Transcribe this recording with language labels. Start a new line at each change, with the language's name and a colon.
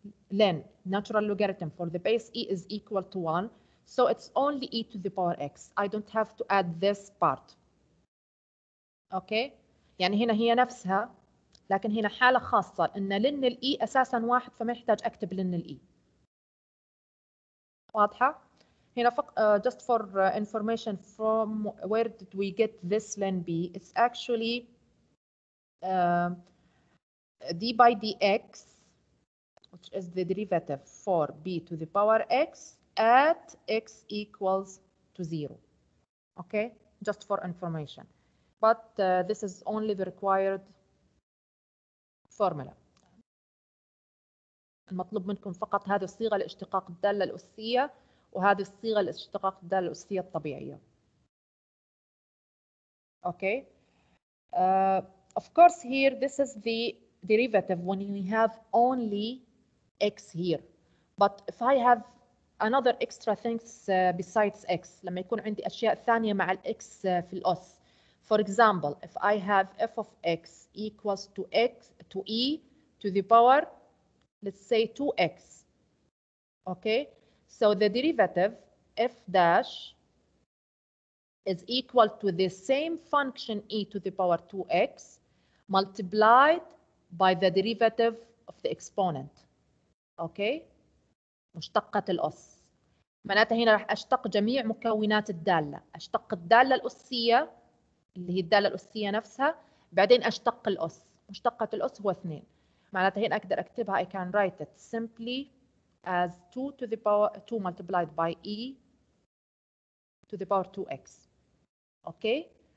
English: Then natural logarithm for the base e is equal to 1. So it's only e to the power x. I don't have to add this part. Okay?
Arabic: يعني هنا هي نفسها لكن هنا حالة خاصة إن لن الإي أساساً واحد فما يحتاج أكتب لن الإي. واضحة؟ هنا
English: just for information from where did we get this ln b? It's actually d by dx which is the derivative for b to the power x at x equals to 0. Okay? Just for information. But this is only the required formula.
Arabic: المطلوب منكم فقط هذه الصيغة لاشتقاق الدالة الأسية وهذه الصيغة لاشتقاق الدالة الأسية الطبيعية.
English: Okay. Of course here this is the derivative when we have only x here. But if I have another extra things besides x,
Arabic: لما يكون عندي أشياء ثانية مع الx في الأس.
English: For example, if I have f of x equals to x to e to the power, let's say 2x. Okay, so the derivative f dash is equal to the same function e to the power 2x multiplied by the derivative of the exponent.
Arabic: Okay, مشتقة الأس. معناته هنا راح أشتق جميع مكونات الدالة. أشتق الدالة الأسية. اللي هي الدالة الأسية نفسها بعدين أشتق الأس مشتقة الأس هو 2 معناتها هنا أقدر أكتبها
English: I can write it simply as 2 to the power 2 multiplied by e to the power 2x okay